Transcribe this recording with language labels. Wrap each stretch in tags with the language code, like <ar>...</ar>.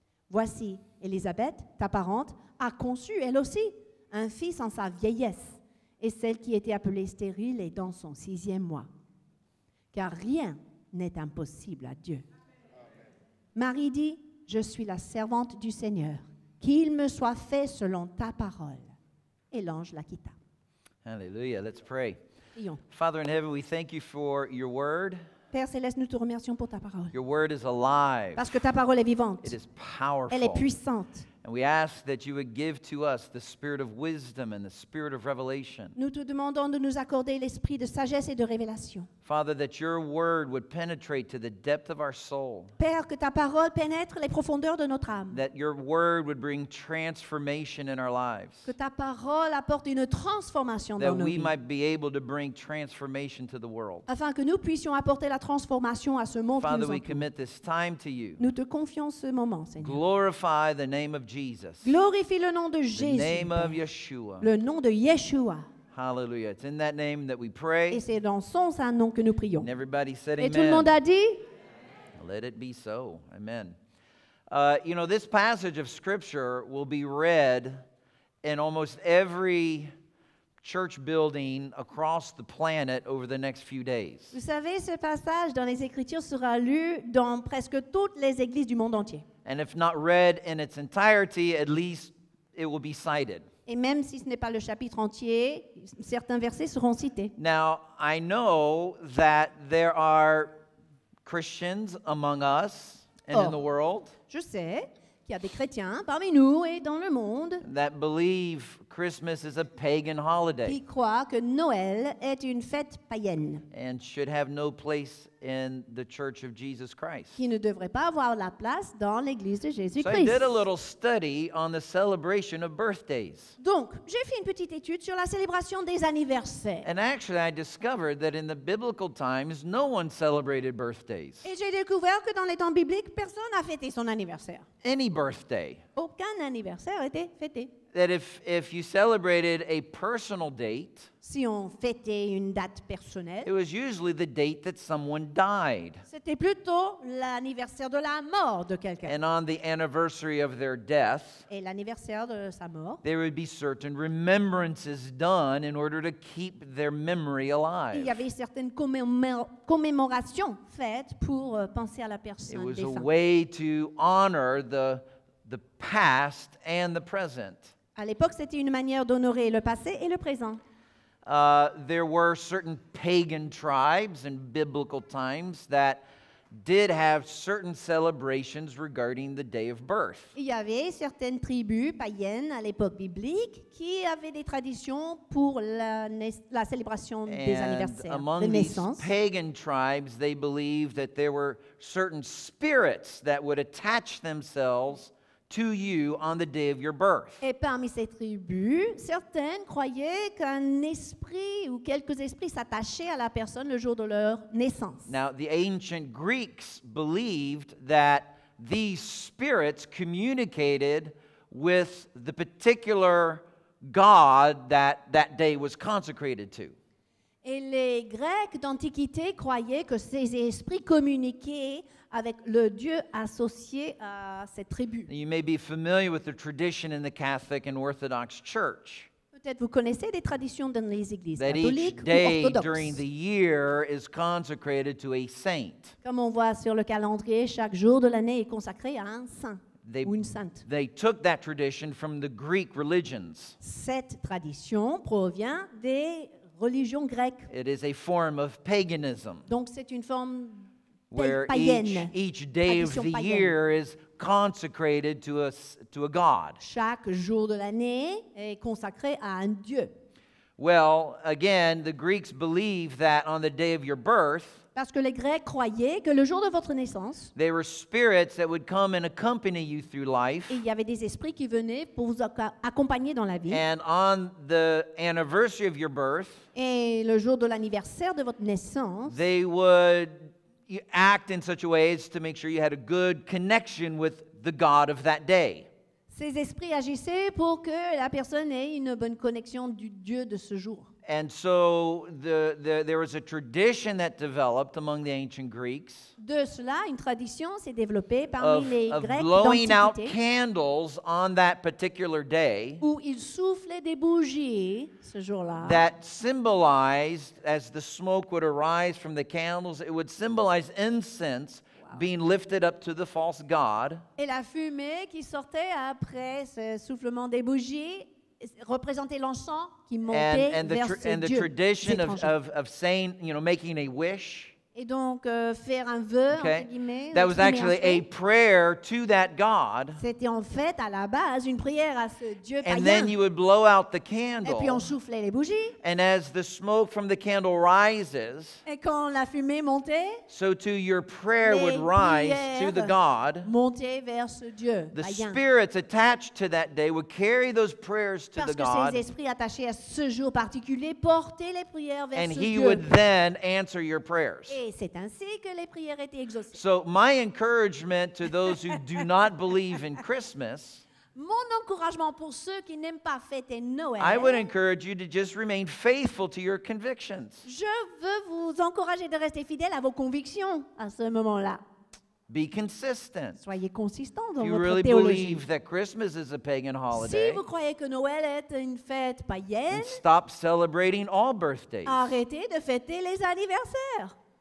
<fr>Voici, Élisabeth, ta parente, a conçu, elle aussi, un fils en sa vieillesse, et celle qui était appelée stérile est dans son sixième mois. Car rien n'est impossible à Dieu. » Marie dit, « Je suis la servante du Seigneur. Qu'il me soit fait selon ta parole. » Et l'ange la quitta.</fr> <en>Hallelujah. Let's pray. Father in heaven, we thank you for your word.</en> <fr>Père céleste, nous te remercions pour ta parole.</fr> <en>Your word is alive.</en> <fr>Parce que ta parole est vivante.</fr> <en>It is powerful.</en> <fr>Elle est puissante.</fr> <en>And we ask that you would give to us the spirit of wisdom and the spirit of revelation.</en> <fr>Nous te demandons de nous accorder l'esprit de sagesse et de révélation.</fr> <en>Father, that your word would penetrate to the depth of our soul.</en> <fr>Père, que ta parole pénètre les profondeurs de notre âme.</fr> <en>That your word would bring transformation in our lives.</en> <fr>Que ta parole apporte une transformation dans nos vies.</fr> <en>That we might be able to bring transformation to the world.</en> <fr>Afin que nous puissions apporter la transformation à ce monde.</fr> <en>Father, we commit this time to you.</en> <fr>Nous te confions ce moment, Seigneur.</fr> <en>Glorify the name of Jesus.</en> <fr>Glorifie le nom de Jésus.</fr> <en>The name of Yeshua.</en> <fr>Le nom de Yeshua.</fr> <en>Hallelujah. It's in that name that we pray.</en> <fr>Et c'est dans son saint nom que nous prions.</fr> <en>And everybody said</en> <fr>et</fr> <en>amen.</en> <fr>Et tout le monde a dit?</fr> <en>Let it be so. Amen. You know, this passage of scripture will be read in almost every church building across the planet over the next few days.</en> <fr>Vous savez, ce passage dans les Écritures sera lu dans presque toutes les églises du monde entier.</fr> <en>And if not read in its entirety, at least it will be cited.</en> <fr>Et même si ce n'est pas le chapitre entier, certains versets seront cités.</fr> <en>Now, I know that there are Christians among us and or, in the world.</en> <fr>Je sais qu'il y a des chrétiens parmi nous et dans le monde.</fr> <en>That believe Christmas is a pagan holiday.</en> <fr>Qui croient que Noël est une fête païenne.</fr> <en>And should have no place in the Church of Jesus Christ.</en> <fr>Qui ne devrait pas avoir la place dans l'Église de Jésus-Christ.</fr> <en>So I did a little study on the celebration of birthdays.</en> <fr>Donc, j'ai fait une petite étude sur la célébration des anniversaires.</fr> <en>And actually, I discovered that in the biblical times, no one celebrated birthdays.</en> <fr>Et j'ai découvert que dans les temps bibliques, personne n'a fêté son anniversaire.</fr> <en>Any birthday.</en> <fr>Aucun anniversaire était fêté.</fr> <en>That if you celebrated a personal date,</en> <fr>si on fêtait une date personnelle,</fr> <en>it was usually the date that someone died.</en> <fr>C'était plutôt l'anniversaire de la mort de quelqu'un.</fr> <en>And on the anniversary of their death,</en> <fr>et l'anniversaire de sa mort,</fr> <en>there would be certain remembrances done in order to keep their memory alive.</en> <fr>Il y avait certaines commémorations faites pour penser à la personne défunte.</fr> <en>It was a way to honor the past and the present.</en> <fr>À l'époque, c'était une manière d'honorer le passé et le présent.</fr> <en>There were certain pagan tribes in biblical times that did have certain celebrations regarding the day of birth.</en> <fr>Il y avait certaines tribus païennes à l'époque biblique qui avaient des traditions pour la célébration</fr> <en>and</en> <fr>des anniversaires, de naissance.</fr> <en>Among these pagan tribes, they believed that there were certain spirits that would attach themselves to you on the day of your birth.</en> <fr>Et parmi ces tribus, certaines croyaient qu'un esprit ou quelques esprits s'attachaient à la personne le jour de leur naissance.</fr> <en>Now, the ancient Greeks believed that these spirits communicated with the particular god that day was consecrated to.</en> <fr>Et les Grecs d'Antiquité croyaient que ces esprits communiquaient avec le dieu associé à cette tribu.</fr> <en>You may be familiar with the tradition in the Catholic and Orthodox Church.</en> <fr>Peut-être vous connaissez des traditions dans les églises</fr> <en>that</en> <fr>catholiques ou orthodoxes.</fr> <en>That each day during the year is consecrated to a saint.</en> <fr>Comme on voit sur le calendrier, chaque jour de l'année est consacré à un saint ou une sainte.</fr> <en>They took that tradition from the Greek religions.</en> <fr>Cette tradition provient des religions grecques.</fr> <en>It is a form of paganism.</en> <fr>Donc c'est une forme</fr> <en>where each day of the year is consecrated to a god.</en> <fr>Chaque jour de l'année est consacré à un dieu.</fr> <en>Well, again, the Greeks believe that on the day of your birth,</en> <fr>parce que les Grecs croyaient que le jour de votre naissance,</fr> <en>there were spirits that would come and accompany you through life.</en> <fr>Il y avait des esprits qui venaient pour vous accompagner dans la vie.</fr> <en>And on the anniversary of your birth,</en> <fr>et le jour de l'anniversaire de votre naissance,</fr> <en>they would act in such a way as to make sure you had a good connection with the God of that day.</en> <fr>Ces esprits agissaient pour que la personne ait une bonne connexion du Dieu de ce jour.</fr> <en>And so there was a tradition that developed among the ancient Greeks.</en> <fr>De cela, une tradition s'est développée parmi les Grecs d'antiquité.</fr> <en>Of blowing out candles on that particular day.</en> <fr>Où ils soufflaient des bougies ce jour-là.</fr> <en>That symbolized, as the smoke would arise from the candles, it would symbolize incense being lifted up to the false god.</en> <fr>Et la fumée qui sortait après ce soufflement des bougies représentait l'encens qui montait vers ce dieu.</fr> <en>And the tradition of saying, you know, making a wish.</en> <fr>Et donc faire un vœu, okay, entre guillemets.</fr> <en>That was actually a prayer to that god.</en> <fr>C'était en fait à la base une prière à ce dieu</fr> <en>and</en> <fr>païen.</fr> <en>And then you would blow out the candle.</en> <fr>Et puis on soufflait les bougies.</fr> <en>And as the smoke from the candle rises.</en> <fr>Et quand la fumée montait.</fr> <en>So too your prayer would rise to the god.</en> <fr>Montait vers ce dieu païen.</fr> <en>The spirits attached to that day would carry those prayers to</en> <fr>parce</fr> <en>the god.</en> <fr>Parce que ces esprits attachés à ce jour particulier portaient les prières vers</fr> <en>and</en> <fr>ce</fr> <en>he</en> <fr>dieu.</fr> <en>And he would then answer your prayers.</en> <fr>Et c'est ainsi que les prières étaient exaucées.</fr> <en>So my encouragement to those who do not believe in Christmas,</en> <fr>mon encouragement pour ceux qui n'aiment pas fêter Noël,</fr> <en>I would encourage you to just remain faithful to your convictions.</en> <fr>Je veux vous encourager de rester fidèle à vos convictions à ce moment-là.</fr> <en>Be consistent.</en> <fr>Soyez consistant dans</fr> <en>you</en> <fr>votre</fr> <en>really</en> <fr>théologie.</fr> <en>Believe that Christmas is a pagan holiday,</en> <fr>si vous croyez que Noël est une fête païenne,</fr> <en>stop celebrating all birthdays.</en> <fr>Arrêtez de fêter les anniversaires.</fr>